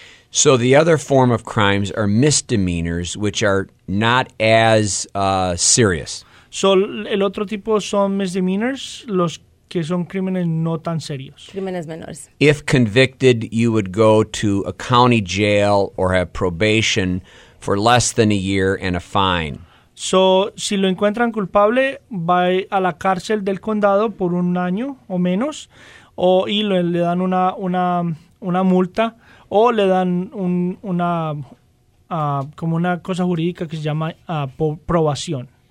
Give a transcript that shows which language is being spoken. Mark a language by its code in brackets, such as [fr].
[en] So the other form of crimes are misdemeanors, which are not as serious. [es] So el otro tipo son misdemeanors, los que son crímenes no tan serios. Crímenes menores. [en] If convicted, you would go to a county jail or have probation for less than a year and a fine. [es] So, si lo encuentran culpable, va a la cárcel del condado por un año o menos, le dan una multa, o le dan como una cosa jurídica que se llama probación.